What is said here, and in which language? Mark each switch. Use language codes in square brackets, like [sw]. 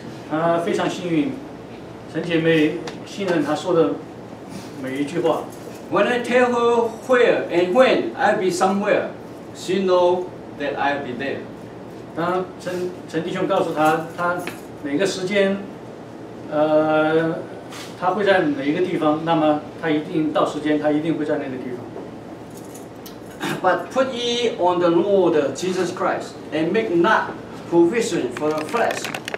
[zh] 她非常幸运，陈姐妹信任她说的每一句话。 [en] When I tell her where and when I'll be somewhere, she knows that I'll be there. [zh] 当陈弟兄告诉他哪个时间，他会在哪一个地方，那么他一定到时间，他一定会在那个地方。 [en] But put ye on the Lord Jesus Christ, and make not provision for the flesh